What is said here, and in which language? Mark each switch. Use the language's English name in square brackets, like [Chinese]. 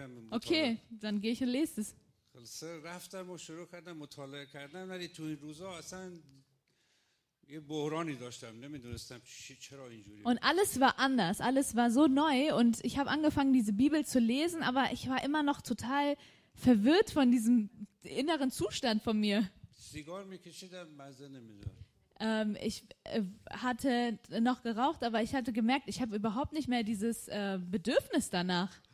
[German] Okay, dann gehe ich und lese es. [Persian] رفتم و شروع کردم مطالعه کردم ولی تو این روزا اصلا یه بحرانی داشتم نمیدونستم چرا اینجوری [German] و alles war anders, alles war so neu und ich habe angefangen diese Bibel zu lesen, aber ich war immer noch total verwirrt von diesem inneren Zustand von mir. [Persian] سیگار میکشیدم مزه نمیدونم. [German] Ich hatte noch geraucht, aber ich hatte gemerkt, ich habe überhaupt nicht mehr dieses Bedürfnis danach.